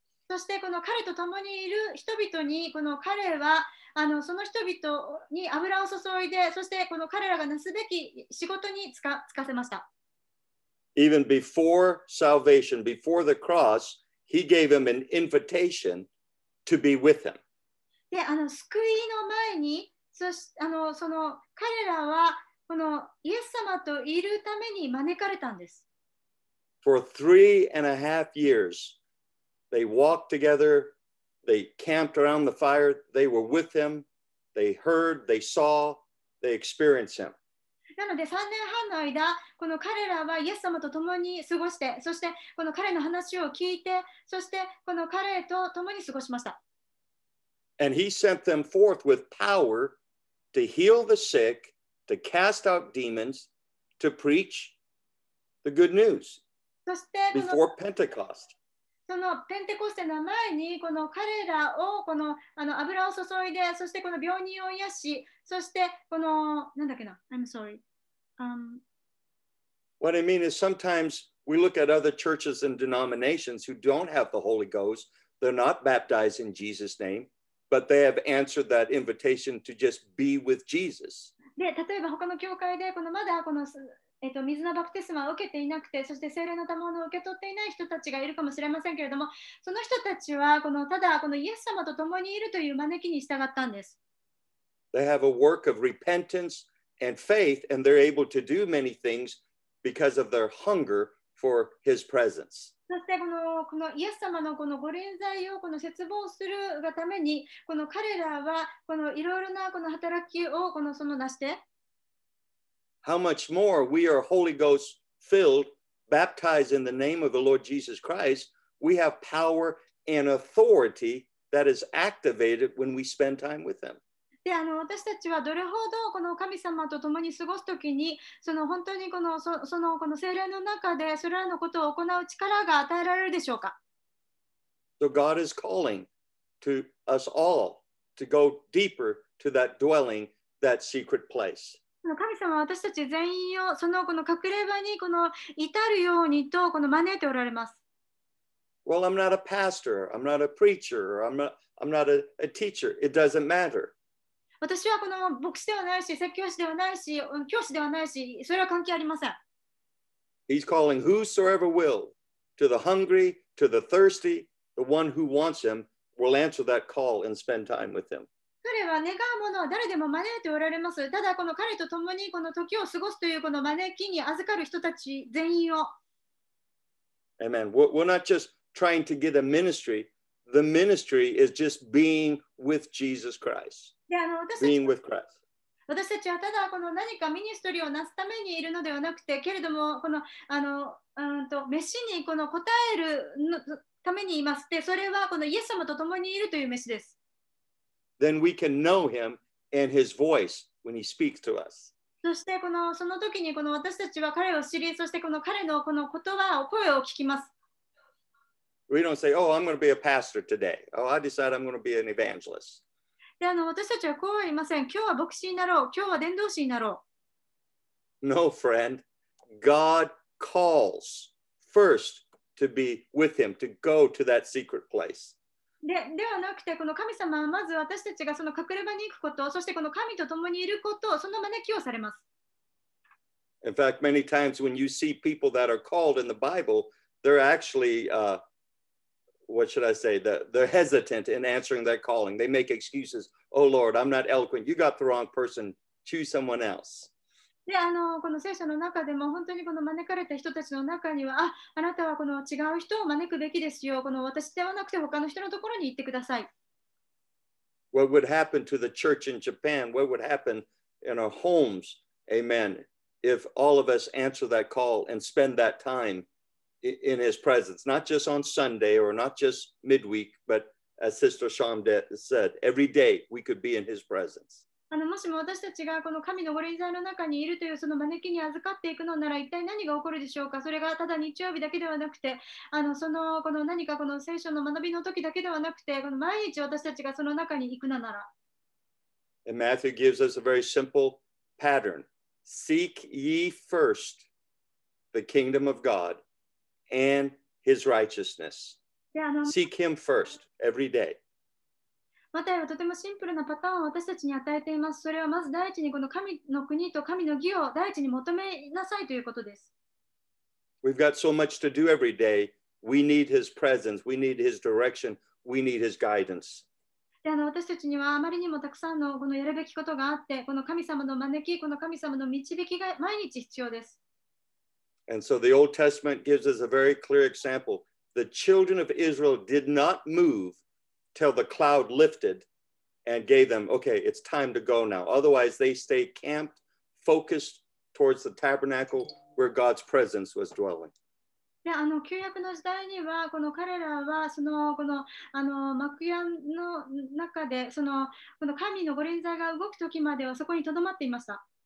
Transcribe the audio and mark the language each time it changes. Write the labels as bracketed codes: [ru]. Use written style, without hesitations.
[ja] そしてこの彼と共にいる人々にこの彼はその人々に油を注いでそしてこの彼らがなすべき仕事に使わせました。 [en] Even before salvation, before the cross, he gave him an invitation to be with him. [ja] で、救いの前に、そしてその彼らはこのイエス様といるために招かれたんです。 [en] For three and a half years, they walked together, they camped around the fire, they were with him, they heard, they saw, they experienced him. [ja] なので3年半の間、この彼らはイエス様と共に過ごして、そしてこの彼の話を聞いて、そしてこの彼と共に過ごしました。 [en] And he sent them forth with power to heal the sick, to cast out demons, to preach the good news before Pentecost. [ja] そのペンテコステの前にこの彼らをこの油を注いで、そしてこの病人を癒し、そしてこのなんだっけな、 [en] I'm sorry. What I mean is sometimes we look at other churches and denominations who don't have the Holy Ghost. They're not baptized in Jesus' name. But they have answered that invitation to just be with Jesus. [ja] で、例えば他の教会でこのまだこの水のバプテスマを受けていなくて、そして聖霊の賜物を受け取っていない人たちがいるかもしれませんけれども、その人たちはこのただこのイエス様と共にいるという招きに従ったんです。 [en] They have a work of repentance and faith, and they're able to do many things because of their hunger for His presence. [ja] そしてこのイエス様のこの御臨在をこの切望するがためにこの彼らはこのいろいろなこの働きをこのその成して。 [en] How much more we are Holy Ghost filled, baptized in the name of the Lord Jesus Christ, we have power and authority that is activated when we spend time with them. [ja] で私たちはどれほどこの神様と共に過ごすときにその本当にこの その聖霊の中でそれらのことを行う力が与えられるでしょうか。 [en] So God is calling to us all to go deeper to that dwelling, that secret place. [ja] 神様は私たち全員をこの隠れ場にこの至るようにとこの招いておられます。 [en] Well, I'm not a pastor, I'm not a preacher, I'm not a teacher, it doesn't matter. [ja] 私はこの牧師ではないし、説教師ではないし、教師ではないし、それは関係ありません。 [en] He's calling whosoever will, to the hungry, to the thirsty, the one who wants him, will answer that call and spend time with him. [ja] 彼は願う者は誰でも招いておられます。ただこの彼と共にこの時を過ごすというこの招きに預かる人たち全員を。 [en] Amen. We're not just trying to get a ministry. The ministry is just being with Jesus Christ. Being with Christ. [ja] 私たちはただこの何かミニストリーをなすためにいるのではなくて、けれどもこのメシにこの答えるのためにいます。で、それはこのイエス様と共にいるというメシです。 [en] Then we can know Him and His voice when He speaks to us. [ja] そしてこのその時にこの私たちは彼を知り、そしてこの彼のこの言葉を声を聞きます。 [en] We don't say, "Oh, I'm going to be a pastor today. Oh, I decide I'm going to be an evangelist." [ja] で私たちはこう言いません。今日は牧師になろう。今日は伝道師になろう。 [en] No, friend. God calls first to be with him, to go to that secret place. [ja] ではなくて、この神様はまず私たちがその隠れ場に行くこと、そしてこの神と共にいること、その招きをされます。 [en] In fact, many times when you see people that are called in the Bible, they're actually,What should I say? They're hesitant in answering that calling. They make excuses. Oh Lord, I'm not eloquent. You got the wrong person. Choose someone else. [ja] で、この聖書の中でも本当にこの招かれた人たちの中には、あなたはこの違う人を招くべきですよ。この私ではなくて他の人のところに行ってください。 [en] What would happen to the church in Japan? What would happen in our homes? Amen. If all of us answer that call and spend that time. In His presence, not just on Sunday or not just midweek, but as Sister Sham said, every day we could be in His presence. [ja] もしも私たちがこの神の御臨在の中にいるというその招きに預かっていくのなら、一体何が起こるでしょうか。それがただ日曜日だけではなくて、この何かこの聖書の学びの時だけではなくて、この毎日私たちがその中に行くのなら。 [en] And Matthew gives us a very simple pattern: Seek ye first the kingdom of God. And His righteousness. Seek Him first every day. [ja] マタイはとてもシンプルなパターンを私たちに与えています。それはまず第一にこの神の国と神の義を第一に求めなさいということです。 [en] We've got so much to do every day. We need His presence. We need His direction. We need His guidance. [ja] で私たちにはあまりにもたくさんのこのやるべきことがあって、この神様の招き、この神様の導きが毎日必要です。 [en] And so the Old Testament gives us a very clear example. The children of Israel did not move till the cloud lifted and gave them, okay, it's time to go now. Otherwise, they stay camped, focused towards the tabernacle where God's presence was dwelling. [ja] であの旧約の時代にはこの彼らはそのこのあの幕屋の中でそのこの神の御臨在が動く時まではそこに留まっていました。